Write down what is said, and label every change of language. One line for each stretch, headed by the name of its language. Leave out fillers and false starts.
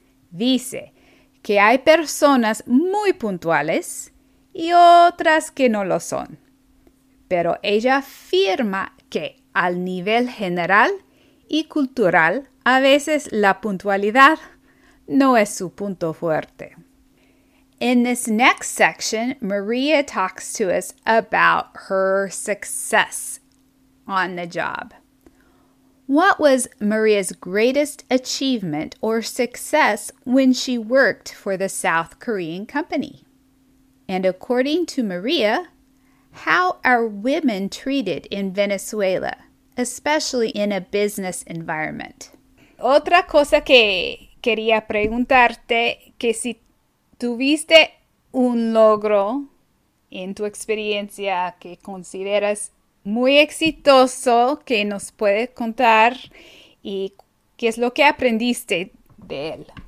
Spanish: Dice que hay personas muy puntuales y otras que no lo son. Pero ella afirma que al nivel general y cultural, a veces la puntualidad no es su punto fuerte.
English: In this next section, María talks to us about her success on the job. What was María's greatest achievement or success when she worked for the South Korean company? And according to María, how are women treated in Venezuela? Especially in a business environment.
Spanish: Otra cosa que quería preguntarte, que si tuviste un logro en tu experiencia que consideras muy exitoso, que nos puedes contar y qué es lo que aprendiste de él.